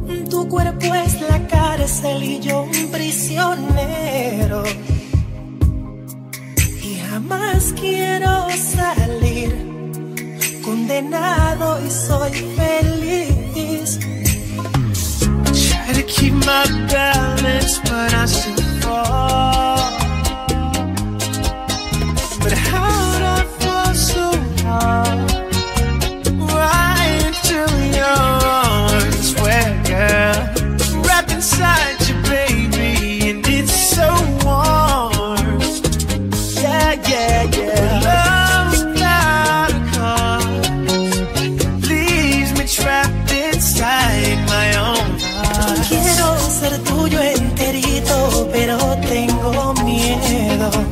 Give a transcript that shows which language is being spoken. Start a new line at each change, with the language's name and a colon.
Spanish: Tu cuerpo es la cárcel y yo un prisionero. Y jamás quiero salir, condenado y soy feliz.
English: Try to keep my balance, but I still fall. But how did I fall so hard? Right into your arms, where, girl? Wrapped inside you, baby, and it's so warm. Yeah, yeah, yeah. Love's got a cause. Leaves me trapped inside my own.
Spanish: Quiero ser tuyo enterito, pero tengo miedo.